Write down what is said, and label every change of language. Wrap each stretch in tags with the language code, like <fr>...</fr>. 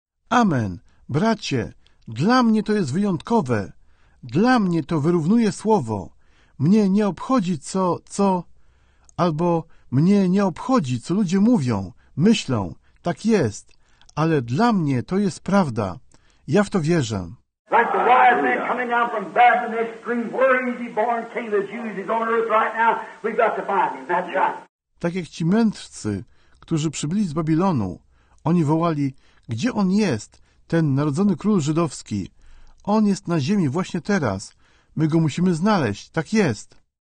<pl>Amen. Bracie, dla mnie to jest wyjątkowe. Dla mnie to wyrównuje słowo. Mnie nie obchodzi co... Albo mnie nie obchodzi, co ludzie mówią, myślą. Tak jest. Ale dla mnie to jest prawda. Ja w to wierzę.</pl> <en>Like the wise man coming down from Babylon, this stream, where is he born, king of the Jews, he's on earth right now, we've got to find him, that's right.</en> <pl>Tak jak ci mędrcy, którzy przybyli z Babilonu, oni wołali, gdzie on jest, ten narodzony król żydowski? On jest na ziemi właśnie teraz. My go musimy znaleźć. Tak jest.</pl>